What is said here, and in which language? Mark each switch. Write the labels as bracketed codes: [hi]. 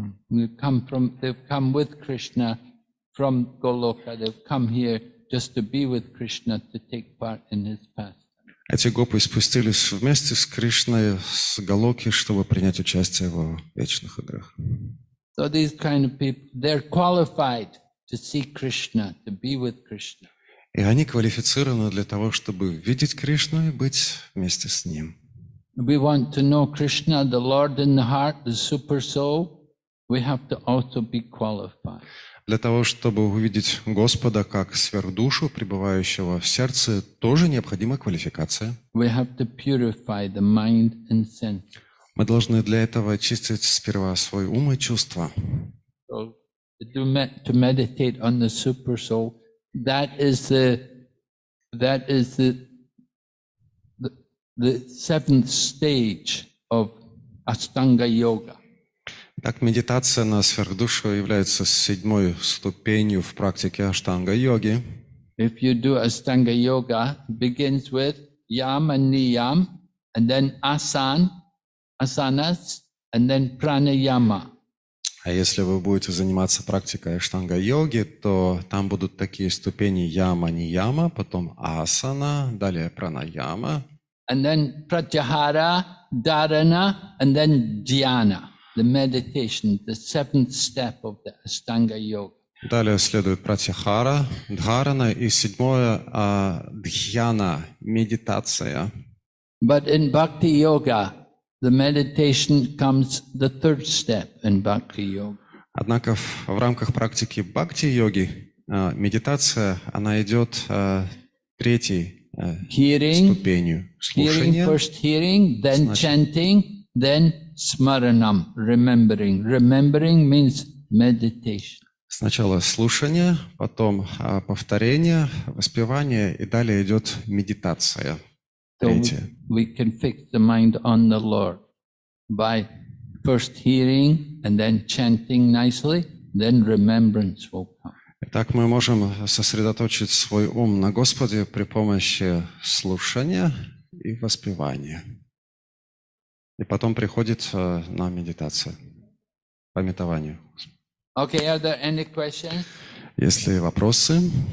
[en] They've come with Krishna from Goloka. They've come here just to be with Krishna, to take part in his pastime. [ru] Эти гопи спустились вместе с Кришной с Голоки, чтобы принять участие в его вечных играх. [en] So these kind of people, they're qualified to see Krishna, to be with Krishna. [ru] И они квалифицированы для того, чтобы видеть Кришну и быть вместе с ним. [en] We want to know Krishna, the Lord in the heart, the super soul. We have to also be qualified. [ru] Для того, чтобы увидеть Господа как сверхдушу, пребывающего в сердце, тоже необходима квалификация. [en] We have to purify the mind and senses. [ru] Мы должны для этого очистить сперва свой ум и чувства. [en] So, to meditate on the super soul, that is the seventh stage of Astanga Yoga. [ru] Так медитация на сверхдушу является седьмой ступенью в практике Аштанга Йоги. [en] If you do Astanga Yoga, it begins with Yam and Niyam, and then Asanas, and then Pranayama. [ru] А если вы будете заниматься практикой Аштанга Йоги, то там будут такие ступени Яма, Нияма, потом Асана, далее Пранаяма. [en] And then pratyahara, dharana, and then dhyana, the meditation, the seventh step of the Ashtanga Yoga. [ru] Далее следует pratyahara, dharana, и седьмое dhyana, медитация. [en] But in bhakti yoga, the meditation comes the third step in bhakti yoga. [ru] Однако в рамках практики бхакти йоги медитация она идет третьей. [en] Hearing, [ru] ступенью [en] hearing, first hearing, then значит, chanting, then smaranam, remembering. Remembering means meditation. [ru] Сначала слушание, потом повторение, воспевание, и далее идет медитация. Третье. [en] So we can fix the mind on the Lord by first hearing and then chanting nicely, then remembrance will come. [ru] Итак, мы можем сосредоточить свой ум на Господе при помощи слушания и воспевания. И потом приходит на медитацию, памятование. [en] Okay, are there any questions? [ru] Есть ли вопросы?